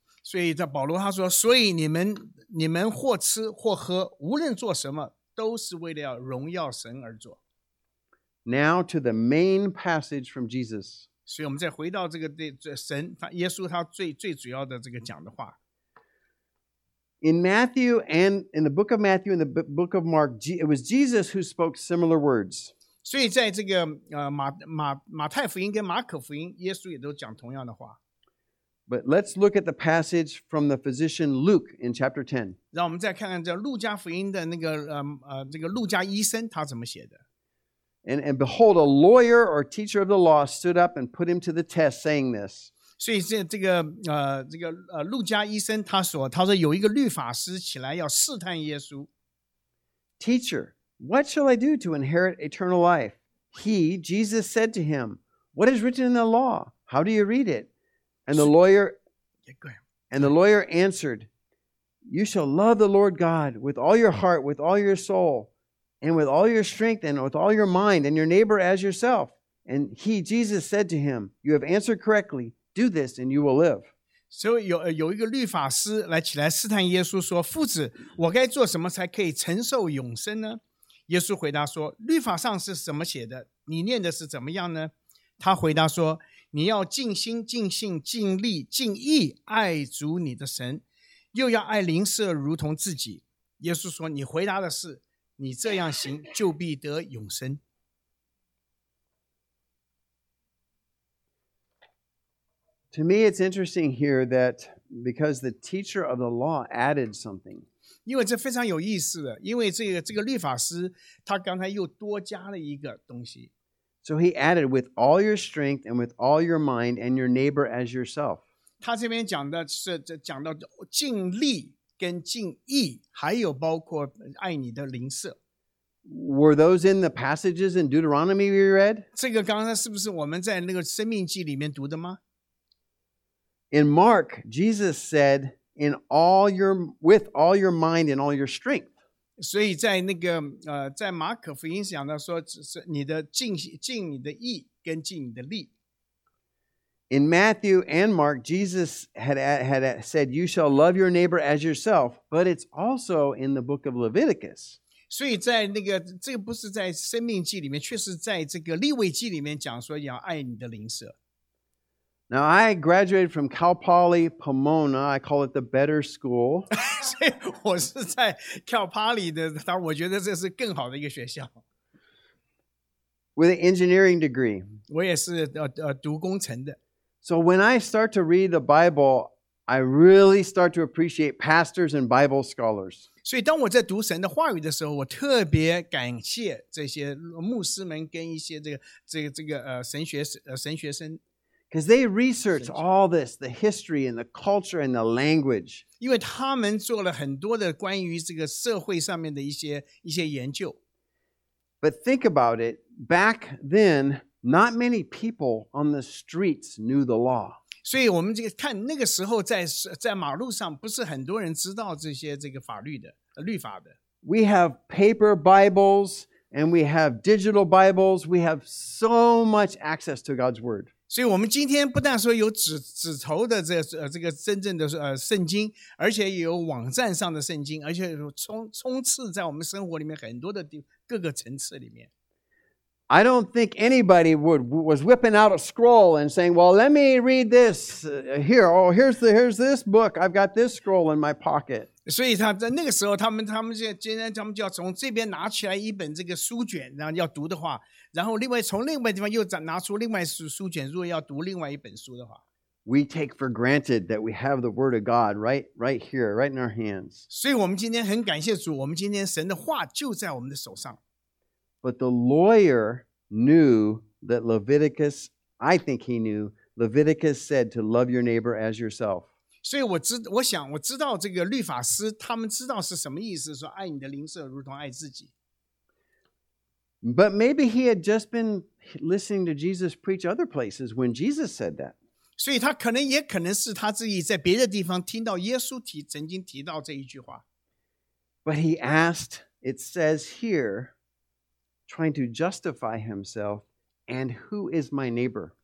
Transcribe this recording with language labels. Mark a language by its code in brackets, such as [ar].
[zh] 所以这保罗他说，所以你们或吃或喝，无论做什么，都是为了要荣耀神而做。 [en] Now to the main passage from Jesus. [zh] 所以我们再回到这个神耶稣他最主要的这个讲的话。 [en] In Matthew and in the book of Matthew and the book of Mark, it was Jesus who spoke similar words. [zh] 所以在这个马太福音跟马可福音，耶稣也都讲同样的话。 [en] But let's look at the passage from the physician Luke in chapter 10. [zh] 让我们再看看这路加福音的那个这个路加医生他怎么写的。 [en] And behold, a lawyer or teacher of the law stood up and put him to the test, saying this. [zh] 所以这个路加医生他说有一个律法师起来要试探耶稣。 [en] Teacher, what shall I do to inherit eternal life? He, Jesus, said to him, What is written in the law? How do you read it? And the lawyer answered, You shall love the Lord God with all your heart, with all your soul, and with all your strength, and with all your mind, and your neighbor as yourself. And he, Jesus, said to him, You have answered correctly. Do this, and you will live. So, [zh] 有一个律法师来起来试探耶稣说，夫子，我该做什么才可以承受永生呢？耶稣回答说，律法上是怎么写的？你念的是怎么样呢？他回答说，你要尽心、尽性、尽力、尽意爱主你的神，又要爱邻舍如同自己。耶稣说：“你回答的是，你这样行就必得永生。” [en] To me, it's interesting here that because the teacher of the law added something. [zh] 因为这非常有意思的，因为这个律法师他刚才又多加了一个东西。 [en] So he added, with all your strength and with all your mind and your neighbor as yourself. [zh] 他这边讲的是讲到尽力跟尽意，还有包括爱你的邻舍。 [en] Were those in the passages in Deuteronomy we read? [zh] 这个刚才是不是我们在那个生命记里面读的吗？ [en] In Mark, Jesus said, with all your mind and all your strength. [zh] 所以在那个在马可福音讲到说，是你的尽你的意跟尽你的力。 [en] In Matthew and Mark, Jesus had said, "You shall love your neighbor as yourself." But it's also in the book of Leviticus. [zh] 所以在那个这个不是在生命记里面，却是在这个利未记里面讲说要爱你的邻舍。 [en] Now, I graduated from Cal Poly Pomona. I call it the better school. [zh] 所以我是在 Cal Poly 的，当然我觉得这是更好的一个学校。 [en] With an engineering degree. [zh] 我也是读工程的。 [en] So when I start to read the Bible, I really start to appreciate pastors and Bible scholars. [zh] 所以当我在读神的话语的时候，我特别感谢这些牧师们跟一些神学生。 [en] Because they research all this, the history and the culture and the language. [zh] 因为他们做了很多的关于这个社会上面的一些研究。 [en] But think about it. Back then, not many people on the streets knew the law. [zh] 所以我们这个看那个时候在马路上不是很多人知道这个法律的律法的。 [en] We have paper Bibles and we have digital Bibles. We have so much access to God's word. [zh] 所以我们今天不但说有 纸头的这个真正的圣经，而且有网站上的圣经，而且有 充斥在我们生活里面很多的各个层次里面。 [en] I don't think anybody was whipping out a scroll and saying, well, let me read this here. Oh, here's this book. I've got this scroll in my pocket. [zh] 所以他在那个时候他们就要从这边拿起来一本这个书卷，然后要读的话，然后另外从另外地方又拿出另外书卷，如果要读另外一本书的话。 [en] We take for granted that we have the Word of God right here, right in our hands. [zh] 所以我们今天很感谢主，我们今天神的话就在我们的手上。 [en] But the lawyer knew that Leviticus, I think he knew, Leviticus said to love your neighbor as yourself. [zh] 所以我知道这个律法师他们知道是什么意思，说爱你的邻舍如同爱自己。 [en] But maybe he had just been listening to Jesus preach other places when Jesus said that. [zh] 所以他可能也可能是他自己在别的地方听到耶稣曾经提到这一句话。 [en] But he asked, it says here,trying to justify himself, and who is my neighbor?